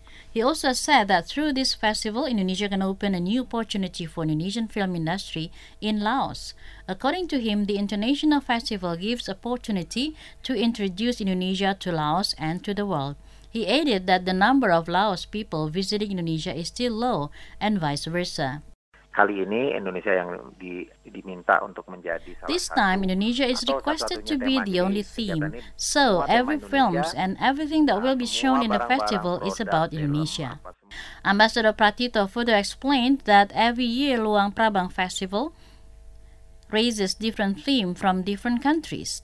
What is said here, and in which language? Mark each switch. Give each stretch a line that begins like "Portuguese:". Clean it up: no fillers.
English: He also said that through this festival, Indonesia can open a new opportunity for Indonesian film industry in Laos. According to him, the international festival gives opportunity to introduce Indonesia to Laos and to the world. He added that the number of Laos people visiting Indonesia is still low, and vice versa.
Indonesian: Kali ini Indonesia yang diminta untuk menjadi salah satu.
English: This time, Indonesia is requested to be the only theme. So every films and everything that will be shown in the festival is about Indonesia. Ambassador Pratito further explained that every year Luang Prabang Festival raises different themes from different countries.